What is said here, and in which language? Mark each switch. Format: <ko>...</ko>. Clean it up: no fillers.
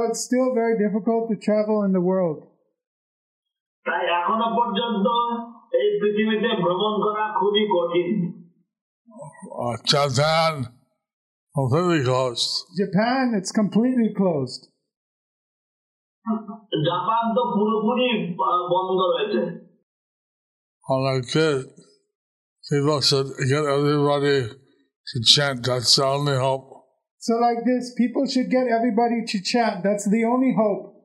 <en>it's still very difficult to travel in the world.</en> <bn>তাই এখনো পর্যন্ত এই পৃথিবীতে ভ্রমণ করা খুবই কঠিন.</bn> <en>Japan, completely closed. Japan, it's completely closed.</en> <bn>Japan তো পুরোপুরি বন্ধ রয়েছে.</bn> <en>All like this, people should get everybody to chant, that's the only hope. So like this, people should get everybody to chant, that's the only hope.</en>